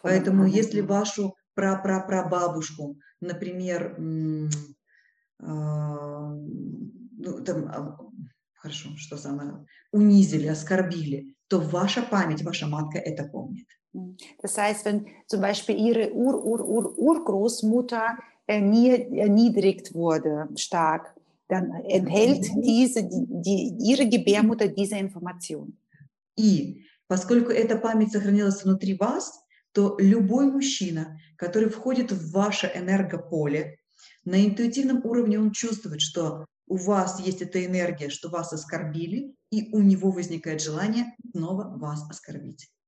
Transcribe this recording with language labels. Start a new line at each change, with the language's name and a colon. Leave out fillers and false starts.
Russian: Поэтому Ahnen. Если вашу прабабушку, например, хорошо, что самое, унизили, оскорбили, то ваша память, ваша матка это помнит.
German: Das heißt, wenn zum Beispiel ihre Urgroßmutter erniedrigt wurde, stark, dann enthält ihre Gebärmutter diese Information.
Russian: И поскольку эта память сохранилась внутри вас, то любой мужчина, который входит в ваше энергополе, на интуитивном уровне он чувствует, что у вас есть эта энергия, что вас оскорбили, и у него возникает желание снова вас оскорбить.